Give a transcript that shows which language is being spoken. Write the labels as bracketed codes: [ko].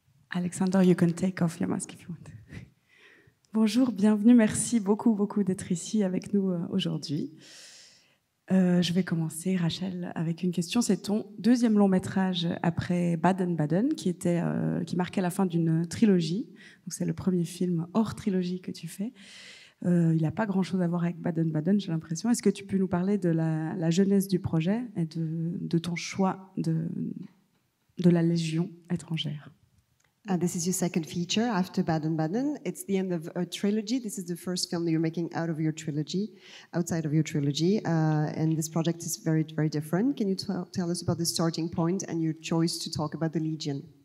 [en] Alexander, you can take off your mask if you want. [fr] Bonjour, bienvenue, merci beaucoup, beaucoup d'être ici avec nous aujourd'hui. Je vais commencer, Rachel, avec une question. C'est ton deuxième long métrage après Baden-Baden, qui marquait la fin d'une trilogie. Donc, c'est le premier film hors trilogie que tu fais. Il n'a pas grand-chose à voir avec Baden-Baden, j'ai l'impression. Est-ce que tu peux nous parler de la genèse du projet et de ton choix de la Légion étrangère ? [en] This is your second feature after Baden-Baden. It's the end of a trilogy. This is the first film that you're making out of your trilogy, outside of your trilogy. And this project is very, very different. Can you tell us about the starting point and your choice to talk about the Legion?